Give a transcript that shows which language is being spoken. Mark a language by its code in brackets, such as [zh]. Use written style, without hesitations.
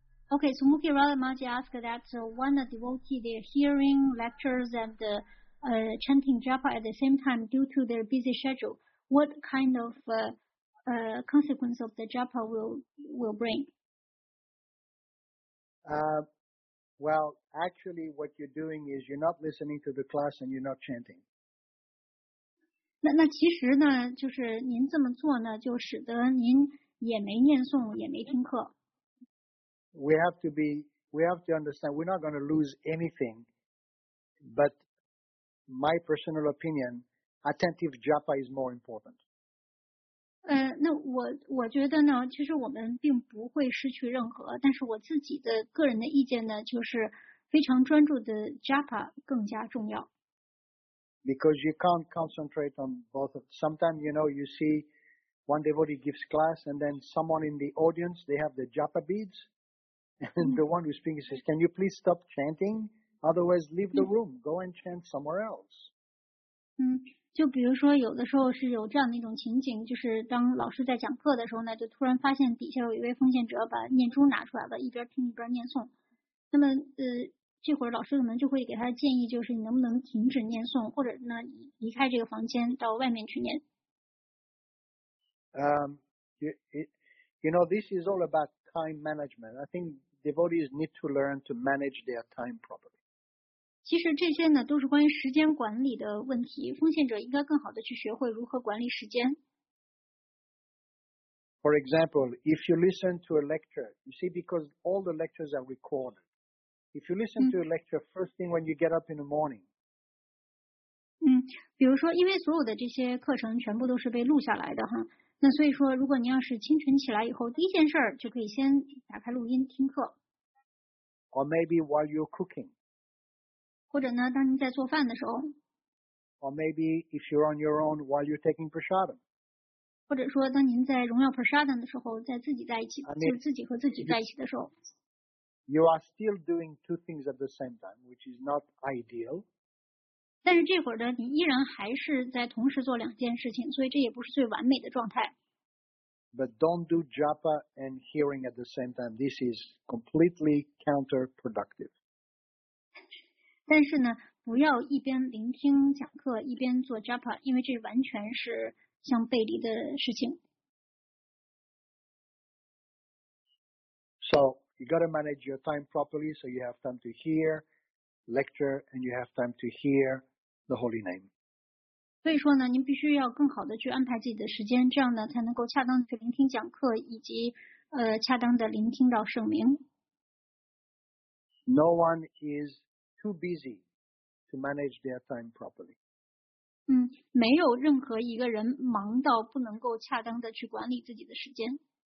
[en] Okay, so Mukhi Radha Maji asked that when a devotee, they're hearing lectures and chanting japa at the same time due to their busy schedule, what kind of consequence of the japa will bring? Well, actually what you're doing is you're not listening to the class and you're not chanting. [zh] 那其实呢，就是您这么做呢，就使得您也没念诵，也没听课。 [en] We have to understand we're not going to lose anything, but my personal opinion, attentive japa is more important. [zh] 那我觉得呢，其实我们并不会失去任何，但是我自己的个人的意见呢，就是非常专注的 japa 更加重要。 [en] Because you can't concentrate on both of them. Sometimes, you know, you see one devotee gives class and then someone in the audience, they have the japa beads. And the one who speaks says, can you please stop chanting? Otherwise, leave the room. Go and chant somewhere else. [zh] 就比如说有的时候是有这样的一种情景，就是当老师在讲课的时候呢，就突然发现底下有一位奉献者把念珠拿出来了，一边听一边念诵。那么这会儿老师可能就会给他建议，就是你能不能停止念诵，或者呢离开这个房间到外面去念。 [en] You know, this is all about time management. I think devotees need to learn to manage their time properly. [zh] 其实这些呢都是关于时间管理的问题，奉献者应该更好的去学会如何管理时间。 [en] For example, if you listen to a lecture, you see, because all the lectures are recorded. If you listen to a lecture first thing when you get up in the morning, [zh] 比如说因为所有的这些课程全部都是被录下来的哈。那所以说，如果您要是清晨起来以后，第一件事儿就可以先打开录音听课。 [en] Or maybe while you're cooking. [zh] 或者呢，当您在做饭的时候。 [en] Or maybe if you're on your own while you're taking prasadam. [zh] 或者说，当您在荣耀 prasadam 的时候，在自己在一起， [en] I mean, [zh] 就是自己和自己在一起的时候。 [en] You are still doing two things at the same time, which is not ideal. [zh] 但是这会儿呢，你依然还是在同时做两件事情，所以这也不是最完美的状态。 [en] But don't do japa and hearing at the same time. This is completely counterproductive. [zh] 但是呢，不要一边聆听讲课一边做 japa， 因为这完全是相背离的事情。 [en] So you got to manage your time properly, so you have time to hear lecture and you have time to hear the holy name. [zh] 所以说呢，您必须要更好的去安排自己的时间，这样呢才能够恰当的聆听讲课，以及恰当的聆听到圣名。 [en] No one is too busy to manage their time properly. [zh] 没有任何一个人忙到不能够恰当的去管理自己的时间。